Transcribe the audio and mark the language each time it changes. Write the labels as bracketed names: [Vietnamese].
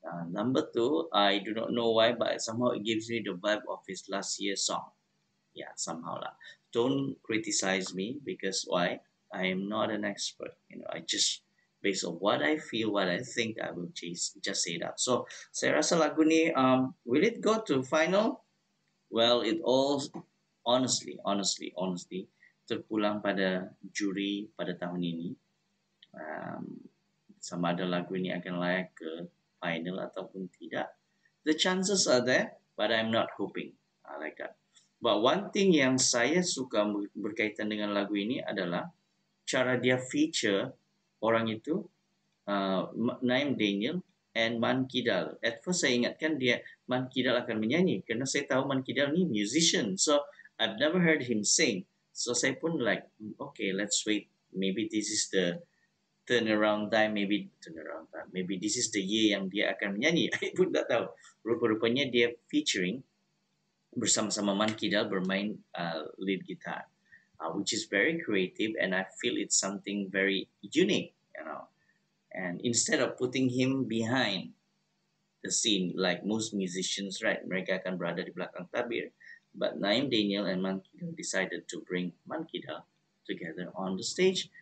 [English] Number two, I do not know why, but somehow it gives me the vibe of his last year's song. Yeah, somehow lah. Don't criticize me because why? I am not an expert. You know, I just, based on what I feel, what I think, I will just say that. So, [Malay] saya rasa lagu ni, [English] will it go to final? Well, it all, honestly, [Malay] terpulang pada juri pada tahun ini. Sama ada lagu ini akan layak ke final ataupun tidak. [English] The chances are there, but I'm not hoping. I like that. But one thing [Malay] yang saya suka berkaitan dengan lagu ini adalah cara dia feature orang itu, Naim Daniel and Mankidal. At first, saya ingatkan dia Mankidal akan menyanyi. Kerana saya tahu Mankidal ni musician. [English] So, I've never heard him sing. So, [Malay] saya pun [English] like, okay, let's wait. Maybe this is the turnaround time. Maybe this is the year [Malay] yang dia akan menyanyi. I pun tak tahu. Rupa-rupanya dia featuring bersama-sama Mankidal bermain lead guitar, [English] which is very creative, and I feel it's something very unique, you know. And instead of putting him behind the scene like most musicians, right, [Malay] mereka akan berada di belakang tabir, [English] but Naim Daniel and Mankidal decided to bring Mankidal together on the stage.